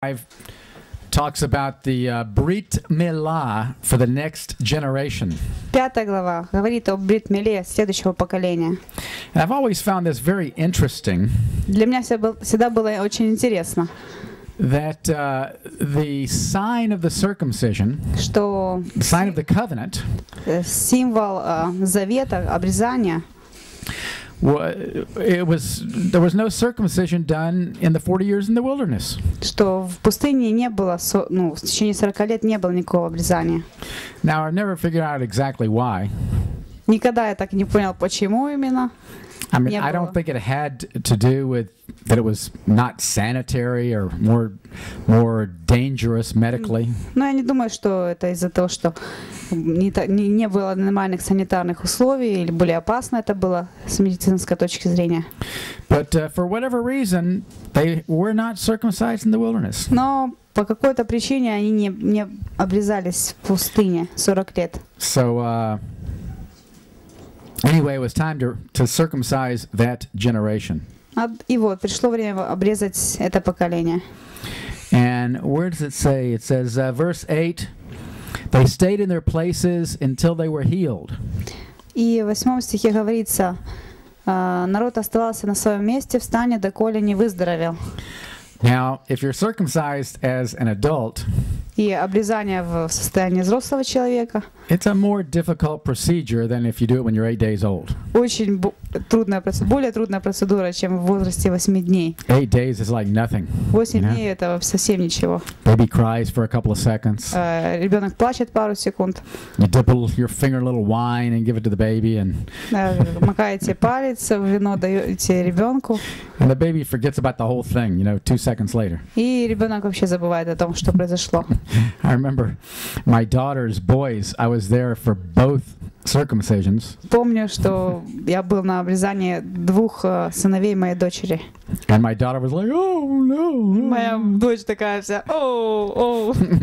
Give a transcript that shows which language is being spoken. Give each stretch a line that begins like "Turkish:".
English: 5 talks about the Brit Milah for the next generation.
Russian: Пятая глава говорит о Брит Миле следующего поколения.
English: And I've always found this very interesting.
Russian: Для меня всегда было очень интересно.
English: That the sign of the circumcision,
Russian: что
English: the sign of the covenant,
Russian: символ завета, обрезания,
English: there was no circumcision done in the 40 years in the wilderness.
Russian: Что в пустыне не было, ну, в течение 40 лет не было никакого обрезания.
English: Now I never figured out exactly why.
Russian: Никогда я так и не понял, почему именно.
English: I mean, I don't think it had to do with that it was not sanitary or more dangerous medically.
Russian: Ну, я не думаю, что это из-за того, что не было нормальных санитарных условий или более опасно это было с медицинской точки зрения.
English: But for whatever reason, they were not circumcised in the wilderness.
Russian: Но по какой-то причине они не обрезались в пустыне 40 лет.
English: So anyway, it was time to circumcise that generation.
Russian: И вот пришло время обрезать это поколение.
English: And where does it say? It says verse 8. They stayed in their places until they were healed.
Russian: И в 8 стихе говорится, народ оставался на своем месте в стане, доколе не выздоровел.
English: Now, if you're circumcised as an adult,
Russian: и обрезание в состоянии взрослого человека,
English: it's a more difficult procedure than if you do it when you're 8 days old.
Russian: Более трудная процедура, чем в возрасте 8 дней.
English: 8 days is like nothing.
Russian: 8 дней это совсем ничего.
English: Baby cries for a couple of seconds.
Russian: Ребенок плачет пару секунд.
English: You dip your finger a little wine and give it to the baby and.
Russian: Макаете палец в вино, даете ребенку.
English: And the baby forgets about the whole thing, you know, 2 seconds later.
Russian: И ребенок вообще забывает о том, что произошло.
English: I remember my daughter's boys. I was there for both circumcisions.
Russian: Помню, что я был на обрезании двух сыновей моей дочери.
English: And my daughter was like, "Oh no!"
Russian: Моя дочь такая вся, "Oh, oh!"